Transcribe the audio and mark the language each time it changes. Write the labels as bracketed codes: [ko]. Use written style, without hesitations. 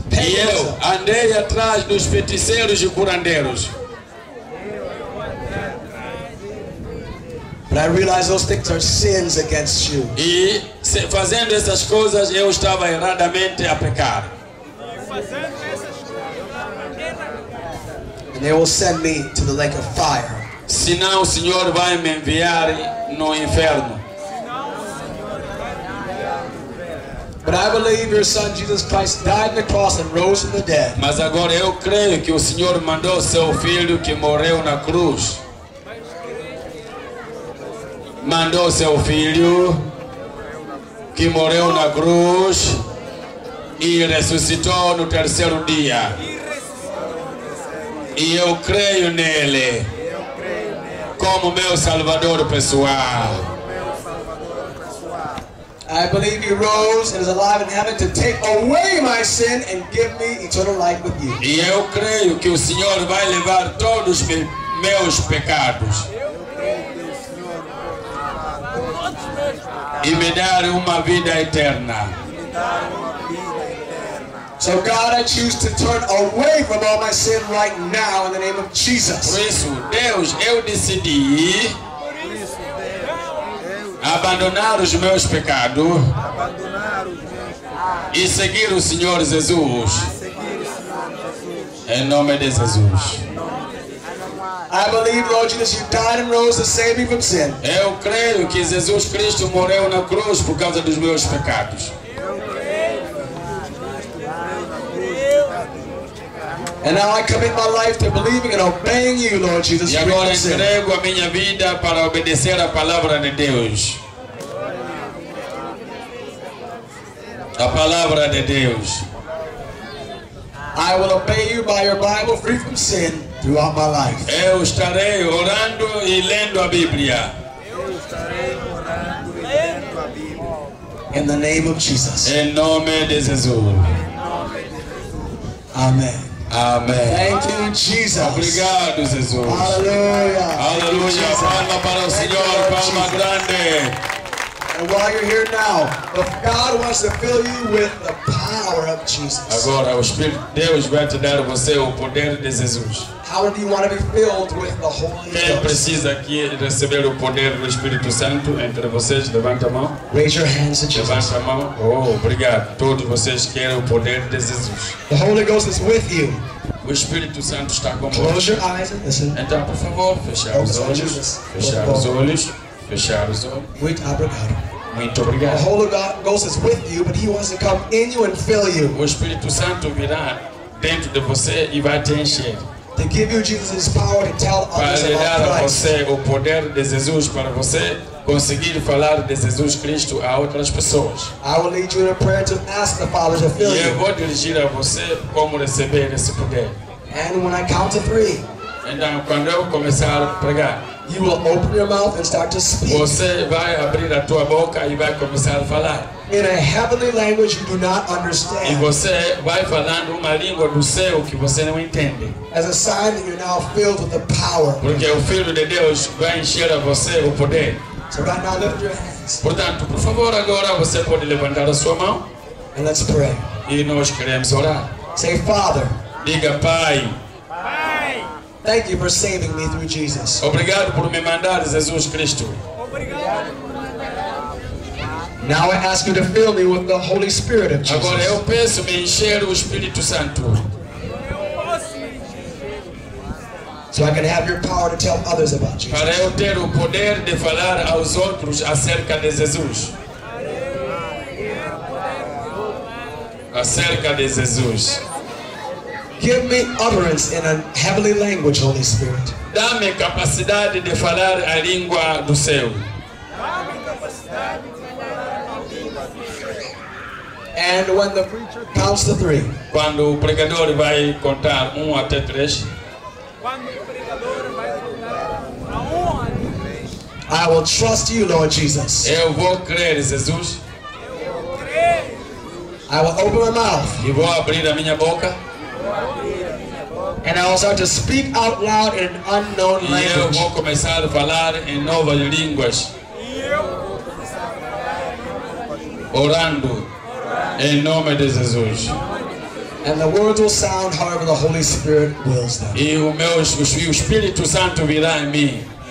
[pt] E eu andei atrás dos feiticeiros e curandeiros. [en] But I realize those things are sins against you. [pt] E fazendo essas coisas eu estava erradamente a pecar. [en] And they will send me to the lake of fire. [pt] Senão o Senhor vai me enviar no inferno. [en] But I believe your son Jesus Christ died on the cross and rose from the dead. [pt] Mas agora eu creio que o Senhor mandou seu filho que morreu na cruz. Mandou seu filho que morreu na cruz e ressuscitou no terceiro dia. E eu creio nele como meu Salvador pessoal. [en] I believe he rose and is alive in heaven to take away my sin and give me eternal life with you. [pt] E eu creio que o Senhor vai levar todos os meus pecados. E me dar uma vida eterna. [en] So God, I choose to turn away from all my sin right now in the name of Jesus. [pt] Por isso, Deus, eu decidi abandonar os meus pecados e seguir o Senhor Jesus. Em nome de Jesus. [en] I believe, Lord Jesus, you died and rose to save me from sin. [pt] Eu creio que Jesus Cristo morreu na cruz por causa dos meus pecados. [en] And now I commit my life to believing and obeying you, Lord Jesus. [pt] E agora entrego a minha vida para obedecer a palavra de Deus. A palavra de Deus. [en] I will obey you by your Bible, free from sin, throughout my life. [pt] Eu estarei orando e lendo a Bíblia. [en] In the name of Jesus. [pt] Em nome de Jesus. [en] Amen. [pt] Amém. [en] Thank you, Jesus. [pt] Obrigado, Jesus. [en] Hallelujah. [pt] Aleluia. Palma para o Senhor, palma grande. [en] And while you're here now, if God wants to fill you with the power of Jesus. [pt] Agora o Espírito de Deus vai te dar você o poder de Jesus. [en] How do you want to be filled with the Holy Ghost? [pt] Quem precisa aqui receber o poder do Espírito Santo entre vocês, levanta a mão. [en] Raise your hands and [pt] levanta Jesus. A mão. Oh, obrigado. Todos vocês querem o poder de Jesus. [en] The Holy Ghost is with you. [pt] O Espírito Santo está com você. [en] Close your eyes and listen. [pt] Então, por favor, fechar os olhos. Fechar os olhos. Fechar os olhos. Muito obrigado. Muito obrigado. [en] The Holy Ghost is with you, but he wants to come in you and fill you. [pt] O Espírito Santo virá dentro de você e vai te encher. [en] to give you Jesus' power to tell others about Christ. [pt] Para dar a você o poder de Jesus para você conseguir falar de Jesus Cristo a outras pessoas. [en] I will lead you in a prayer to ask the Father to fill you. [pt] E eu vou dirigir a você como receber esse poder. [en] And when I count to three, [pt] então, quando eu começar a pregar, [en] you will open your mouth and start to speak. [pt] Você vai abrir a tua boca e vai começar a falar. [en] In a heavenly language you do not understand. [pt] E você vai falando uma língua do céu que você não entende. [en] As a sign that you're now filled with the power. [pt] Porque o Filho de Deus vai encher a você o poder. [en] So right now lift your hands. [pt] Portanto, por favor, agora você pode levantar a sua mão. [en] And let's pray. [pt] E nós queremos orar. [en] Say, Father. [pt] Diga, Pai. Pai. [en] Thank you for saving me through Jesus. [pt] Obrigado por me mandar Jesus Cristo. [en] Now I ask you to fill me with the Holy Spirit of Jesus. [pt] Agora eu peço me encher o Espírito Santo. [en] So I can have your power to tell others about Jesus. [pt] Para eu ter o poder de falar aos outros acerca de Jesus. Acerca de Jesus. [en] Give me utterance in a heavenly language, Holy Spirit. [pt] Dá-me capacidade de falar a língua do céu. [en] And when the preacher counts to three, [pt] quando o pregador vai contar um até três, [en] I will trust you, Lord Jesus. [pt] Eu vou crer, Jesus. [en] I will open my mouth. [pt] E vou abrir a minha boca. [en] And I will start to speak out loud in an unknown language. [pt] E eu vou começar a falar em novas línguas. Orando. Em nome de Jesus. [en] And the words will sound however the Holy Spirit wills them. [pt] E o meu Espírito Santo virá em mim.